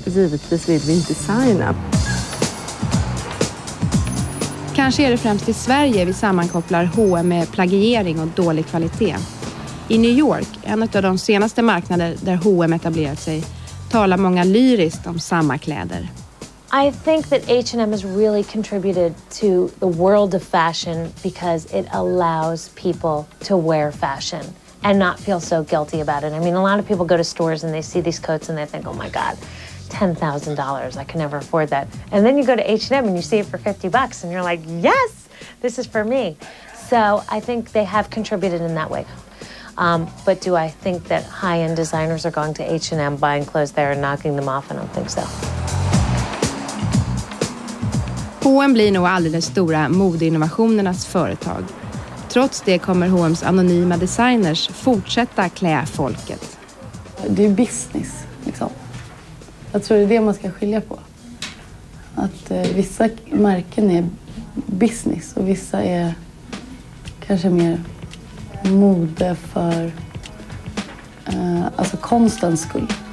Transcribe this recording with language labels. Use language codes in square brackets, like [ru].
[sv] Givetvis vill vi designa. Kanske är det främst i Sverige vi sammankopplar H&M med plagiering och dålig kvalitet. I New York, en av de senaste marknader där H&M etablerat sig, talar många lyriskt om samma kläder. [en] I think that H&M has really contributed to the world of fashion because it allows people to wear fashion and not feel so guilty about it. I mean, a lot of people go to stores and they see these coats and they think, oh my God, $10,000, I can never afford that. And then you go to H&M and you see it for $50 and you're like, yes, this is for me. So I think they have contributed in that way. But do I think that high-end designers are going to H&M buying clothes there and knocking them off? I don't think so. [sv] H&M blir nog aldrig den stora modeinnovationernas företag. Trots det kommer H&Ms anonyma designers fortsätta klä folket. Det är business, liksom. Jag tror det är det man ska skilja på. Att vissa märken är business och vissa är kanske mer mode för alltså konstens skull.